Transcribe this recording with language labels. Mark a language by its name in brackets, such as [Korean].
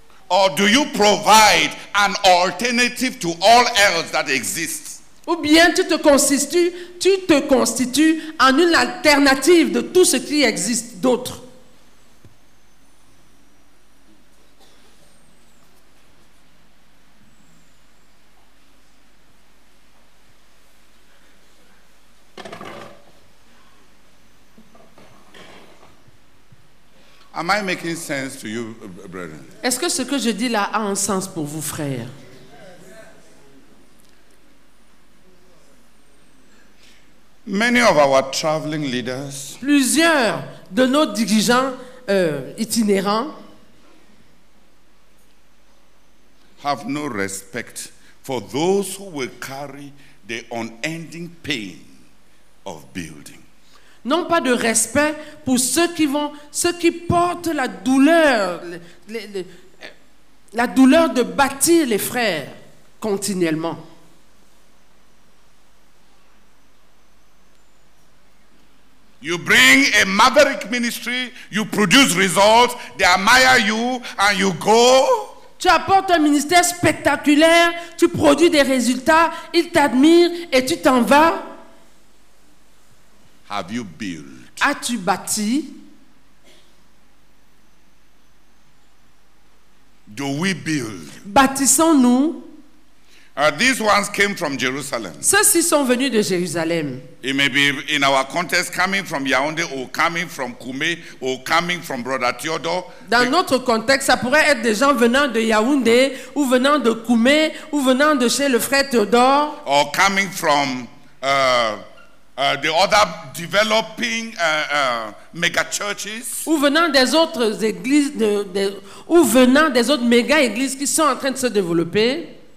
[English] Or do you provide an alternative to all else that exists? [French] Ou bien tu te constitues en une alternative de tout ce qui existe d'autre. [English] Am I making sense to you, brethren? [French] Est-ce que ce que je dis là a un sens pour vous, frères? [English] Many of our traveling leaders, [French] plusieurs de nos dirigeants itinérants, [English] have no respect for those who will carry the unending pain of building. [French] N'ont pas de respect pour ceux qui portent la douleur, la douleur de bâtir les frères continuellement. [English] You bring a maverick ministry, you produce results, they admire you, and you go. [French] Tu apportes un ministère spectaculaire, tu produis des résultats, ils t'admirent et tu t'en vas. [English] Have you built? [French] As-tu bâti? [English] Do we build? [French] Bâtissons-nous? [English] These ones came from Jerusalem. [French] Ceux-ci sont venus de Jérusalem. [English] It may be in our context coming from Yaoundé or coming from Koumé or coming from Brother Theodore. [French] Dans notre contexte, ça pourrait être des gens venant de Yaoundé ou venant de Koumé ou venant de chez le frère Theodore. [English] Or coming from the other developing mega churches. [French] Ou venant des autres églises ou venant des autres méga églises qui sont en train de se développer.